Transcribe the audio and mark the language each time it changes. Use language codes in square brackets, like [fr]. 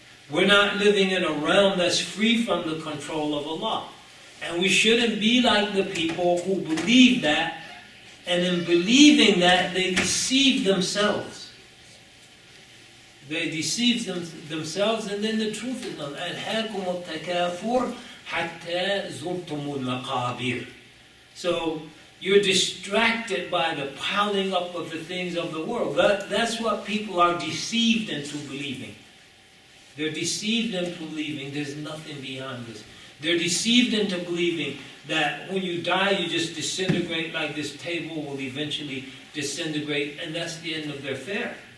[en] We're not living in a realm that's free from the control of Allah. And we shouldn't be like the people who believe that, and in believing that, they deceive themselves. They deceive themselves, and then the truth is known. [ar] أَلْهَاكُمُ التَّكَافُرُ حَتَّى زُرْتُمُ الْمَقَابِرُ. [en] So, you're distracted by the piling up of the things of the world. That's what people are deceived into believing. They're deceived into believing there's nothing beyond this. They're deceived into believing that when you die, you just disintegrate, like this table will eventually disintegrate, and that's the end of their fare.